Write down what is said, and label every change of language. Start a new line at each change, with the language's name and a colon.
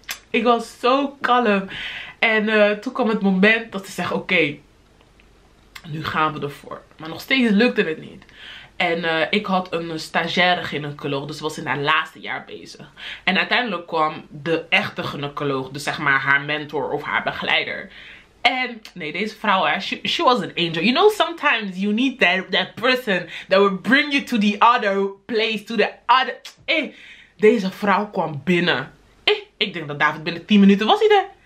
Dutch: Ik was zo kalm. En toen kwam het moment dat ze zeggen, oké. Nu gaan we ervoor. Maar nog steeds lukte het niet. En ik had een stagiaire gynaecoloog. Dus was in haar laatste jaar bezig. En uiteindelijk kwam de echte gynaecoloog. Dus zeg maar haar mentor of haar begeleider. En nee, deze vrouw,
English: she was an angel. You know, sometimes you need that person that will bring you to the other place. To the other...
Dutch: Hey, deze vrouw kwam binnen. Hey, ik denk dat David binnen 10 minuten was hij er.